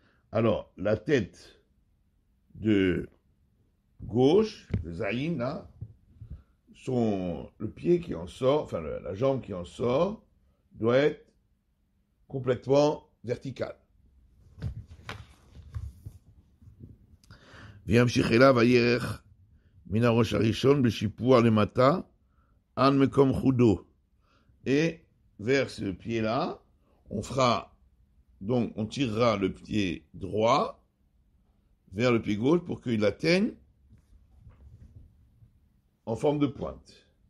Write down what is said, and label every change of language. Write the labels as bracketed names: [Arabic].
[French] Alors, la tête de gauche, le Zayin, là, le pied qui en sort, enfin la jambe qui en sort, doit être complètement verticale. [Hebrew] וימשיך אליו הירך מן הראש הראשון בשיפוע למטה עד מקום חודו. [French] Et vers ce pied-là, on tirera le pied droit vers le pied gauche pour qu'il atteigne en forme de pointe.